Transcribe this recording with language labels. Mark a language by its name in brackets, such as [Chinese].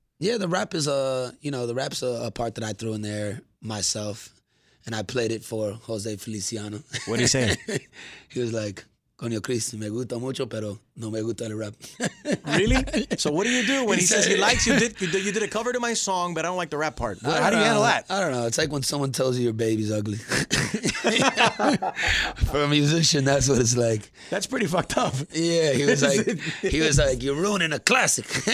[English] Yeah, the rap is the rap's a part that I threw in there myself, and I played it for Jose Feliciano. What did he say? He was like, [Spanish] "Coño Chris, me gusta mucho, pero no me gusta el rap." [English] Really? So what do you do when he says he likes you? You did a cover to my song, but I don't like the rap part. How do you handle that? I don't know. It's like when someone tells you your baby's ugly. For a musician, that's what it's like. That's pretty fucked up. Yeah, he was like, "You're ruining a classic."